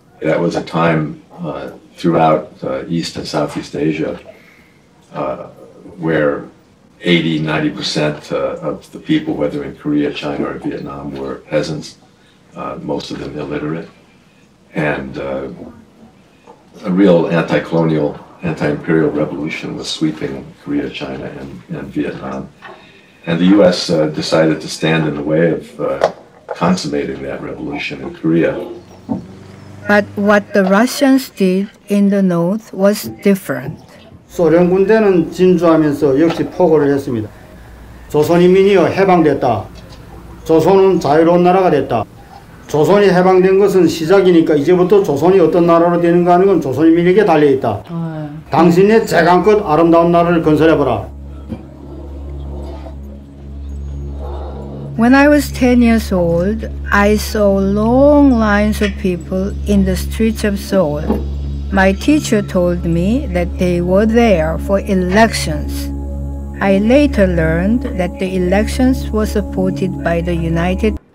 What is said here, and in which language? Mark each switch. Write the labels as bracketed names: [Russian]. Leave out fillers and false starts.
[English] That was a time throughout East and Southeast Asia where 80-90% of the people, whether in Korea, China, or Vietnam, were peasants, most of them illiterate, and a real anti-colonial, anti-imperial revolution was sweeping Korea, China, and Vietnam. And the U.S. Decided to stand in the way of consummating that revolution in Korea. But what the Russians did in the north was different. [Korean] 소련 군대는 진주하면서 역시 포고를 했습니다. 조선 인민이여 해방됐다. 조선은 자유로운 나라가 됐다. 조선이 해방된 것은 시작이니까 이제부터 조선이 어떤 나라로 되는가 하는 건 조선 인민에게 달려 있다. 당신의 재간껏 아름다운 나라를 건설해 보라. [English] When I was 10 years old, I saw long lines of people in the streets of Seoul. My teacher told me that they were there for elections. I later learned that the elections were supported by the United States.